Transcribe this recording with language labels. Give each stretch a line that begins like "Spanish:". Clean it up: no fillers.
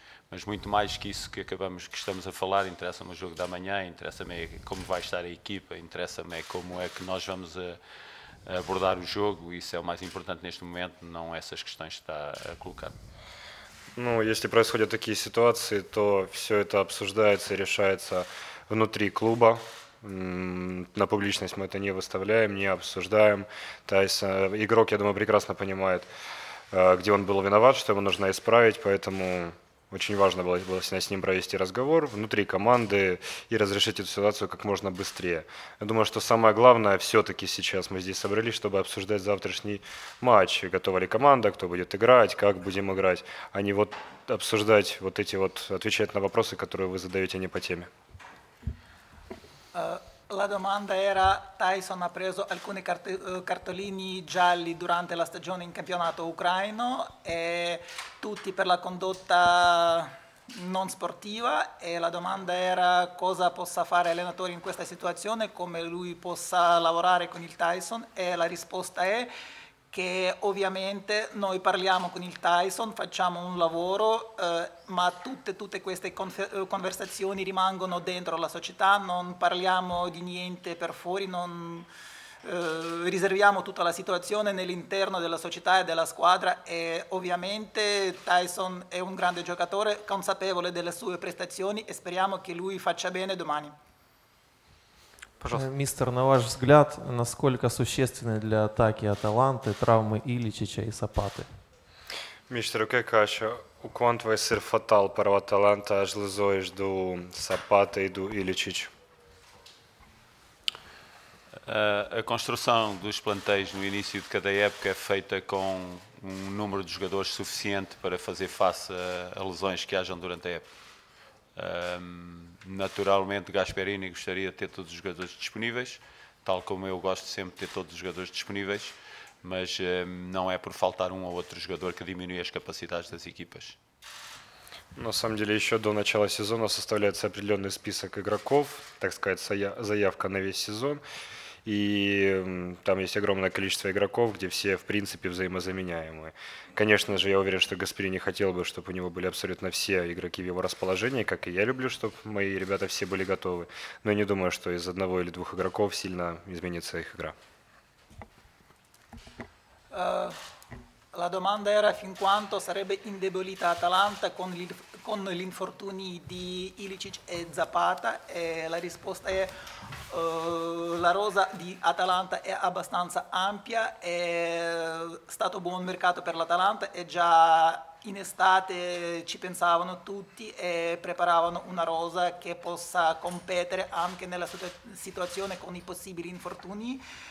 Portuguese: Mas muito mais que isso que acabamos, que estamos a falar, interessa-me o jogo da manhã, interessa-me como vai estar a equipa, interessa-me como é que nós vamos abordar o jogo, isso é o mais importante neste momento, não essas questões que está a colocar.
Russian: Ну, если происходят такие ситуации, то все это обсуждается и решается внутри клуба. На публичность мы это не выставляем, не обсуждаем. То есть игрок, я думаю, прекрасно понимает, где он был виноват, что ему нужно исправить, поэтому очень важно было с ним провести разговор внутри команды и разрешить эту ситуацию как можно быстрее. Я думаю, что самое главное, все-таки сейчас мы здесь собрались, чтобы обсуждать завтрашний матч. Готова ли команда, кто будет играть, как будем играть, а не вот обсуждать вот эти вот, отвечать на вопросы, которые вы задаете не по теме.
Italian: La domanda era: Tyson ha preso alcuni cartolini gialli durante la stagione in campionato ucraino, e tutti per la condotta non sportiva. E la domanda era: cosa possa fare l'allenatore in questa situazione, come lui possa lavorare con il Tyson? E la risposta è che ovviamente noi parliamo con il Tyson, facciamo un lavoro, ma tutte queste conversazioni rimangono dentro la società, non parliamo di niente per fuori, non riserviamo tutta la situazione nell'interno della società e della squadra. E ovviamente Tyson è un grande giocatore, consapevole delle sue prestazioni, e speriamo che lui faccia bene domani.
Russian: Пожалуйста. Мистер, на ваш взгляд, насколько существенны для атаки Аталанты травмы Иличича и Сапаты? Мистер, как кажется, у кванта вы сир фатал пара Аталанта, аж лизоиш ду Сапаты и ду Иличич?
Portuguese: A construção dos plantéis no início de cada época é feita com um número de jogadores suficiente para fazer face a lesões que hajam durante a época. Naturalmente, Gasperini gostaria de ter todos os jogadores disponíveis, tal como eu gosto sempre de ter todos os jogadores disponíveis, mas não é por faltar um ou outro jogador que diminui as capacidades das equipas.
Russian: На самом деле, еще до начала сезона составляется определенный список игроков, так сказать, заявка на весь сезон, и там есть огромное количество игроков, где все, в принципе, взаимозаменяемые. Конечно же, я уверен, что Гасперини хотел бы, чтобы у него были абсолютно все игроки в его расположении, как и я люблю, чтобы мои ребята все были готовы. Но я не думаю, что из одного или двух игроков сильно изменится их игра.
Italian: La domanda era fin quanto sarebbe indebolita Atalanta con gli infortuni di Iličić e Zapata, e la risposta è la rosa di Atalanta è abbastanza ampia, è stato buon mercato per l'Atalanta e già in estate ci pensavano tutti e preparavano una rosa che possa competere anche nella situazione con i possibili infortuni.